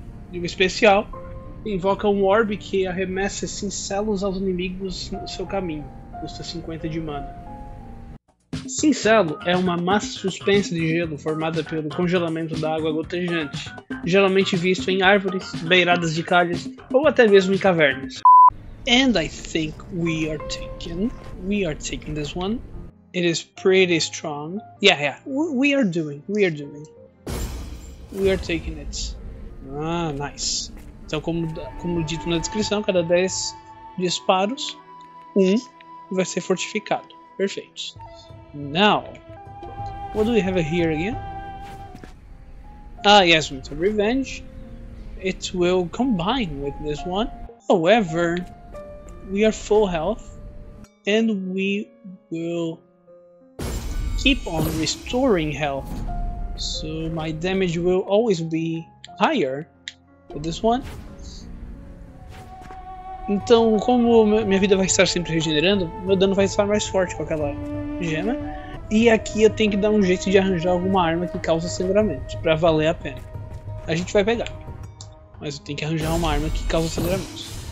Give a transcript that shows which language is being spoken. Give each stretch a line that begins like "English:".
Portuguese: Nível especial, invoca um orbe que arremessa cincelos aos inimigos no seu caminho. custa 50 de mana. Cincelo é uma massa suspensa de gelo formada pelo congelamento da água gotejante, geralmente visto em árvores, beiradas de calhas ou até mesmo em cavernas.
English: And I think we are taking this one. It is pretty strong. Yeah. We are doing. We are taking it. Ah, nice.
Portuguese: Então, como dito na descrição, cada 10 disparos, um vai ser fortificado.
English: Perfeito. Now, what do we have here again? Ah, yes, it's a revenge. It will combine with this one. However, we are full health, and we will keep on restoring health. So my damage will always be higher with this one.
Portuguese: Então, como minha vida vai estar sempre regenerando, meu dano vai estar mais forte com aquela gema. E aqui eu tenho que dar um jeito de arranjar alguma arma que cause sangramento, pra valer a pena. A gente vai pegar. Mas eu tenho que arranjar uma arma que cause sangramento.